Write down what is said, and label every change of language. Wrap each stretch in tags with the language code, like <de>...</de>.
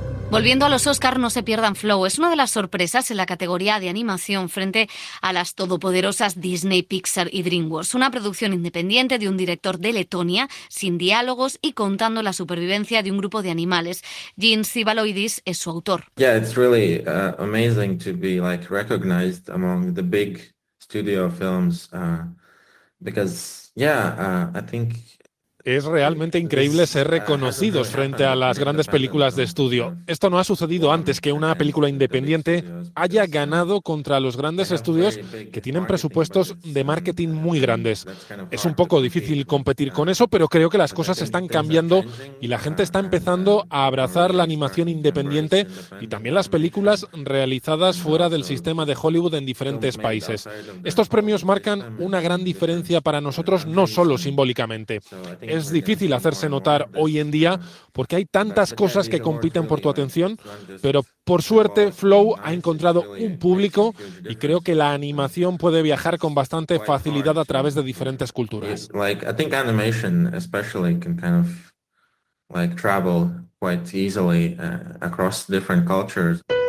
<es>Bueno, Volviendo a los Oscar, no se pierdan Flow. Es una de las sorpresas en la categoría de animación frente a las todopoderosas Disney, Pixar y DreamWorks. Una producción independiente de un director de Letonia, sin diálogos y contando la supervivencia de un grupo de animales. Gene Zivaloidis es su autor.</es> <en>Yeah, it's really amazing to be like recognized among the big studio films because I think.</en> <es>Es realmente increíble ser reconocidos frente a las grandes películas de estudio. Esto no ha sucedido antes, que una película independiente haya ganado contra los grandes estudios que tienen presupuestos de marketing muy grandes. Es un poco difícil competir con eso, pero creo que las cosas están cambiando y la gente está empezando a abrazar la animación independiente y también las películas realizadas fuera del sistema de Hollywood en diferentes países. Estos premios marcan una gran diferencia para nosotros, no solo simbólicamente. Es difícil hacerse notar hoy en día porque hay tantas cosas que compiten por tu atención, pero por suerte Flow ha encontrado un público y creo que la animación puede viajar con bastante facilidad a través de diferentes culturas.</es> <en>I think animation especially can kind of like travel quite easily across different cultures.</en>